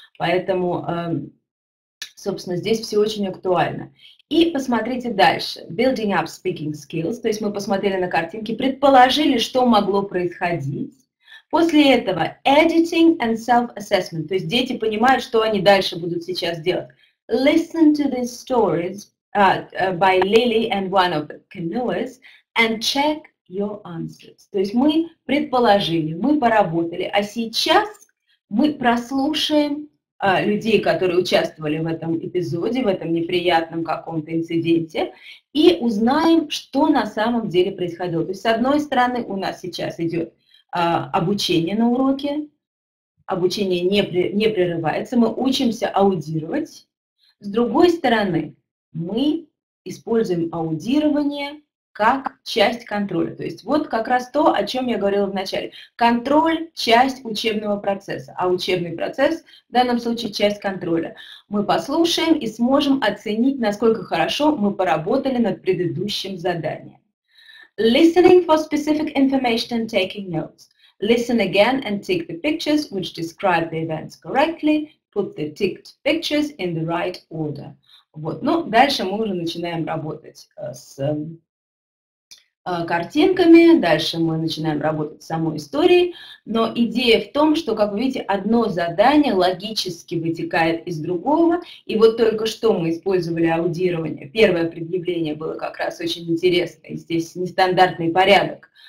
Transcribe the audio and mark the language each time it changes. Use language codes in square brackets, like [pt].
[ru] Поэтому, собственно, здесь все очень актуально. И посмотрите дальше. [en] Building up speaking skills. [ru] То есть мы посмотрели на картинки, предположили, что могло происходить. После этого [en] editing and self-assessment. [ru] То есть дети понимают, что они дальше будут сейчас делать. [en] Listen to the stories by Lily and one of the canoers and check your answers. [ru] То есть мы предположили, мы поработали, а сейчас мы прослушаем людей, которые участвовали в этом эпизоде, в этом неприятном каком-то инциденте, и узнаем, что на самом деле происходило. То есть, с одной стороны, у нас сейчас идет обучение на уроке, обучение не прерывается, мы учимся аудировать. С другой стороны, мы используем аудирование как часть контроля. То есть вот как раз то, о чем я говорила вначале. Контроль – часть учебного процесса, а учебный процесс в данном случае – часть контроля. Мы послушаем и сможем оценить, насколько хорошо мы поработали над предыдущим заданием. [en] Listening for specific information and taking notes. Listen again and tick the pictures, which describe the events correctly. Put the ticked pictures in the right order. Вот. [ru] Ну, дальше мы уже начинаем работать с картинками, дальше мы начинаем работать с самой историей, но идея в том, что, как вы видите, одно задание логически вытекает из другого, и вот только что мы использовали аудирование, первое предъявление было как раз очень интересно, и здесь нестандартный порядок.